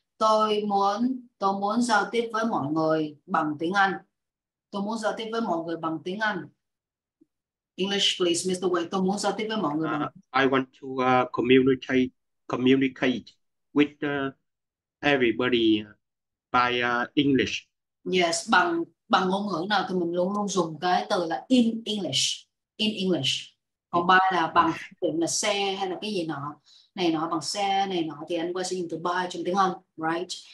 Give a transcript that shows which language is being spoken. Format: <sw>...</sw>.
<vi>Tôi muốn giao tiếp với mọi người bằng tiếng Anh. Tôi muốn giao tiếp với mọi người bằng tiếng Anh.</vi> <en>English, please, Mr. Wei.</en> <vi>Tôi muốn giao tiếp với mọi người bằng</vi> <en>I want to communicate with everybody by English.</en> <vi>Yes, bằng bằng ngôn ngữ nào thì mình luôn luôn dùng cái từ là</vi> <en>in English. In English.</en> <vi>Còn by là bằng phương tiện là xe hay là cái gì nọ. Này nọ bằng xe, này nọ thì anh quay sử dụng từ by trong tiếng Anh. Right?</vi>